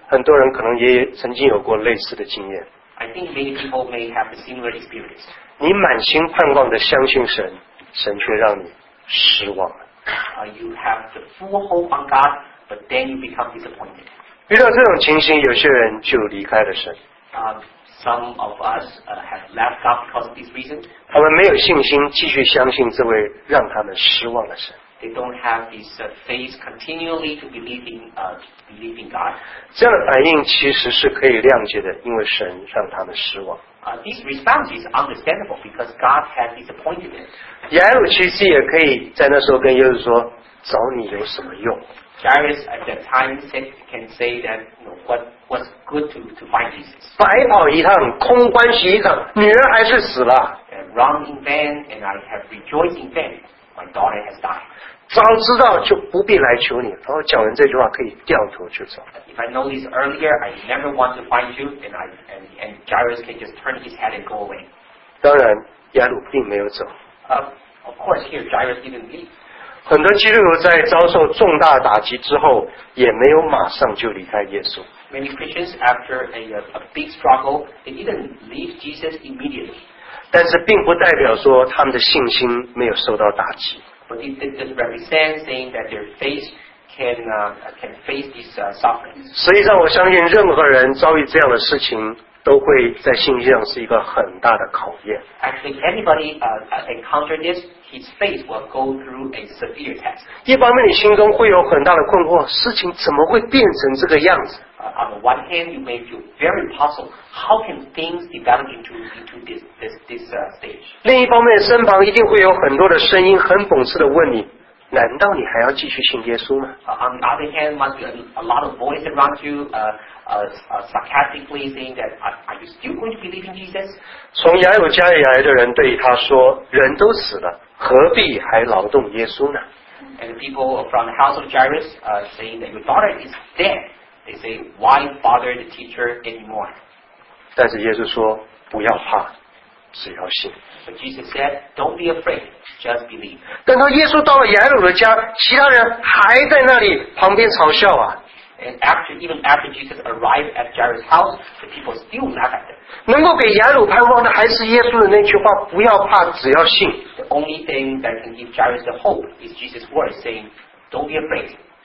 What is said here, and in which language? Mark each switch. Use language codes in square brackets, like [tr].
[zh] 很多人可能也曾经有过类似的经验。 [en] I think many people may have a similar experience. [zh] 你满心盼望的相信神，神却让你失望了。 [en] You have the full hope on God, but then you become disappointed. [zh] 遇到这种情形，有些人就离开了神。 [en] Some of us have left God because of this reason. [zh] 他们没有信心继续相信这位让他们失望的神。 [en] They don't have this faith continually to believing God. [zh] 这样的反应其实是可以谅解的，因为神让他们失望。 [en] This response is understandable because God has disappointed them. [zh] 雅鲁其实也可以在那时候跟耶稣说：“找你有什么用？” [en] Jairus at that time can say that, you know, what's good to find Jesus? [zh] 白跑一趟，空欢喜一场，女儿还是死了。 [en] And run in vain, and I have rejoiced in vain. My daughter has died. [zh] 早知道就不必来求你。然后讲完这句话，可以掉头就走。 [en] If I know this earlier, I never want to find you, and Jairus can just turn his head and go away. [zh] 当然，雅鲁并没有走。 [en] Of course, here Jairus didn't leave. [zh] 很多基督徒在遭受重大打击之后，也没有马上就离开耶稣。 [en] Many Christians, after a big struggle, they didn't leave Jesus immediately. [zh] 但是并不代表说他们的信心没有受到打击。 [en] But it doesn't represent saying that their faith can face these sufferings. [zh] 实际上，我相信任何人遭遇这样的事情，都会在信心上是一个很大的考验。 [en] Actually, anybody encounter this, his faith will go through a severe test. [zh] 一方面，你心中会有很大的困惑，事情怎么会变成这个样子？ [en] On the one hand, you may feel very puzzled. How can things develop into this stage? [zh] 另一方面，身旁一定会有很多的声音，很讽刺的问你：难道你还要继续信耶稣吗？ [en] On the other hand, must be a lot of voice around you, sarcastically saying that, "Are you still going to believe in Jesus?" [zh] 从雅鲁家里来的人对他说：人都死了，何必还劳动耶稣呢？ [en] And the people from the house of Jairus, saying that your daughter is dead. They say, why bother the teacher anymore? [zh] 但是耶稣说，不要怕，只要信。 [en] But Jesus said, don't be afraid, just believe. [zh] 等到耶稣到了雅鲁的家，其他人还在那里旁边嘲笑啊。 [en] And even after Jesus arrived at Jairus' house, the people still laugh at him. [zh] 能够给雅鲁盼望的还是耶稣的那句话，不要怕，只要信。 [en] The only thing that can give Jairus the hope is Jesus' word saying, don't be afraid.